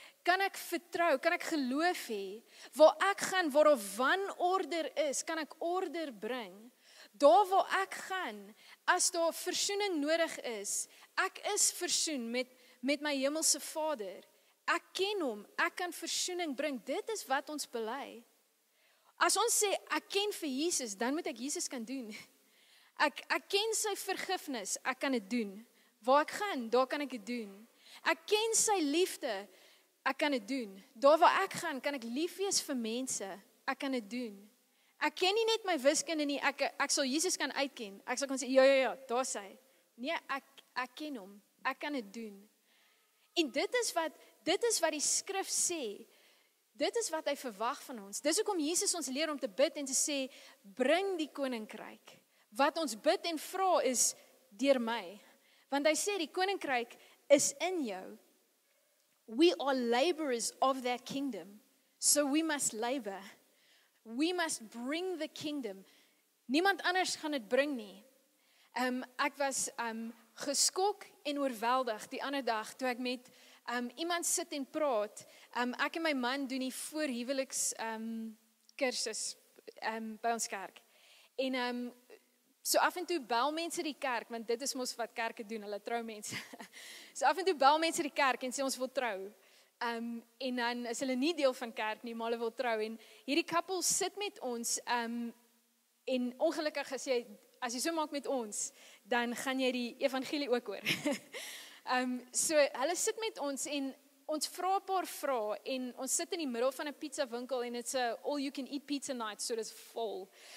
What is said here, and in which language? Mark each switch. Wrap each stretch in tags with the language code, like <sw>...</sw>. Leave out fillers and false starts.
<af>kan ek vertrou, kan ek geloof hê, waar ek gaan, waar of wanorder is, kan ek order bring, daar waar ek gaan, as daar versoening nodig is, ek is versoen met my hemelse vader, ek ken hom, ek kan versoening bring, dit is wat ons bely. As ons sê, ek ken vir Jesus, dan moet ek Jesus kan doen. Ek ken sy vergifnis, ek kan het doen. Waar ek gaan, daar kan ek het doen. Ek ken sy liefde, ek kan het doen. Daar waar ek gaan, kan ek lief wees vir mense, ek kan het doen. Ek ken nie net my wiskunde nie, ek sal Jesus kan uitken. Ek sal kan sê, ja, daar is hy. Nee, ek ken hom, ek kan het doen. En dit is wat die skrif sê, dit is wat hy verwag van ons. Dis hoekom Jesus ons leer om te bid en te sê, bring die koninkryk. Wat ons bid en vra is, deur my. Want hy sê, die koninkryk is in jou.</af> <en>We are laborers of that kingdom, so we must labor. We must bring the kingdom.</en> <af>Niemand anders gaan het bring nie. Ek was geskok en oorweldig die ander dag, toe ek met iemand sit en praat. Ek en my man doen die voorhuweliks kursus by ons kerk. En so af en toe bel mense die kerk, want dit is mos wat kerke doen, hulle trou mense. So af en toe bel mense die kerk en sê ons wil trou. En dan is hulle nie deel van kerk nie, maar hulle wil trou. En hierdie koppel sit met ons en ongelukkig gesê, as jy so maak met ons, dan gaan jy die evangelie ook hoor. So hulle sit met ons en ons vra 'n paar vrae en ons sit in die middel van 'n pizza winkel en</af> <en>it's a all you can eat pizza night,</en> <af>so dit is vol.</af>